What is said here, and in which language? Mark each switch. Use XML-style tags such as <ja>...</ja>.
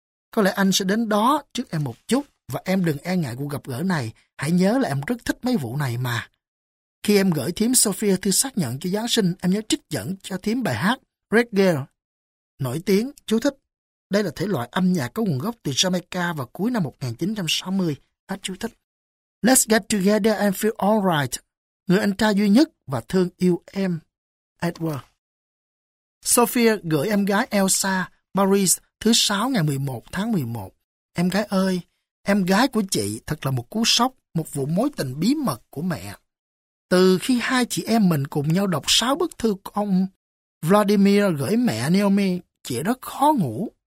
<vi>Có lẽ anh sẽ đến đó trước em một chút. Và em đừng e ngại cuộc gặp gỡ này. Hãy nhớ là em rất thích mấy vụ này mà. Khi em gửi thím Sophia thư xác nhận cho Giáng sinh, em nhớ trích dẫn cho thím bài hát Red Girl nổi tiếng. Chú thích, đây là thể loại âm nhạc có nguồn gốc từ Jamaica vào cuối năm 1960. Hát chú thích:</vi> <en>Let's get together and feel alright.</en> <vi>Người anh trai duy nhất và thương yêu em, Edward. Sophia gửi em gái Elsa, Paris, thứ sáu ngày 11 tháng 11. Em gái ơi, em gái của chị thật là một cú sốc, một vụ mối tình bí mật của mẹ. Từ khi hai chị em mình cùng nhau đọc 6 bức thư ông Vladimir gửi mẹ Naomi, chị rất khó ngủ.</vi>